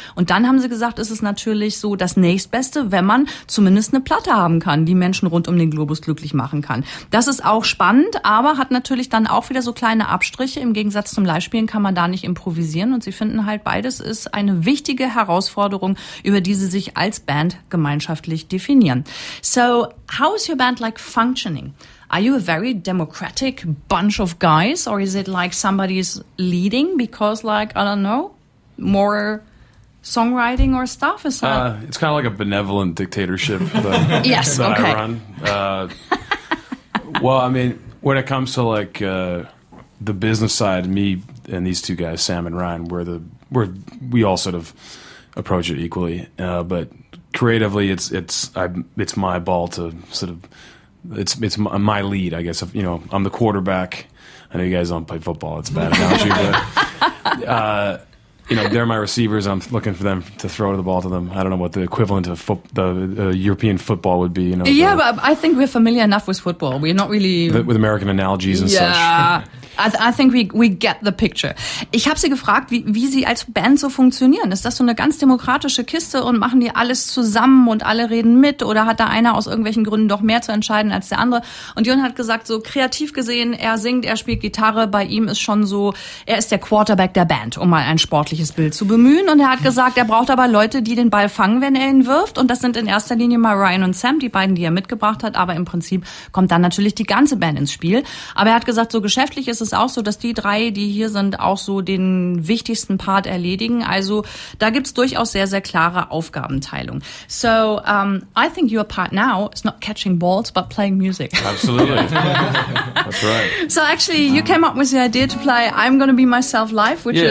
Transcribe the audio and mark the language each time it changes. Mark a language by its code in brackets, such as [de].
[de] Und dann haben sie gesagt, ist es natürlich so das Nächstbeste, wenn man zumindest eine Platte haben kann, die Menschen rund um den Globus glücklich machen kann. Das ist auch spannend, aber hat natürlich dann auch wieder so kleine Abstriche. Im Gegensatz zum Live-Spielen kann man da nicht improvisieren. Und sie finden halt, beides ist eine wichtige Herausforderung, über die sie sich als Band gemeinschaftlich definieren. [en] So, how is your band like functioning? Are you a very democratic bunch of guys, or is it like somebody's leading because, like, I don't know, more songwriting or stuff? Is that it's kind of like a benevolent dictatorship that, yes, that okay. I run. well, I mean, when it comes to, like, the business side, me and these two guys, Sam and Ryan, we all sort of approach it equally, but creatively, it's my ball to sort of, it's my lead, I guess. If, you know, I'm the quarterback. I know you guys don't play football. It's a bad analogy, but you know, they're my receivers. I'm looking for them to throw the ball to them. I don't know what the equivalent of the European football would be. You know, yeah, but I think we're familiar enough with football. We're not really with American analogies and yeah. such. I think we get the picture. [de] Ich habe sie gefragt, wie sie als Band so funktionieren. Ist das so eine ganz demokratische Kiste und machen die alles zusammen und alle reden mit? Oder hat da einer aus irgendwelchen Gründen doch mehr zu entscheiden als der andere? Und Jon hat gesagt, so kreativ gesehen, er singt, er spielt Gitarre. Bei ihm ist schon so, er ist der Quarterback der Band, um mal ein sportliches Bild zu bemühen. Und er hat gesagt, er braucht aber Leute, die den Ball fangen, wenn er ihn wirft. Und das sind in erster Linie mal Ryan und Sam, die beiden, die er mitgebracht hat. Aber im Prinzip kommt dann natürlich die ganze Band ins Spiel. Aber er hat gesagt, so geschäftlich ist es auch so, dass die drei, die hier sind, auch so den wichtigsten Part erledigen. Also da gibt's durchaus sehr, sehr klare Aufgabenteilung. [en] So I think your part now is not catching balls, but playing music. Absolutely. That's right. So actually, you came up with the idea to play I'm Gonna Be Myself Live, which yeah.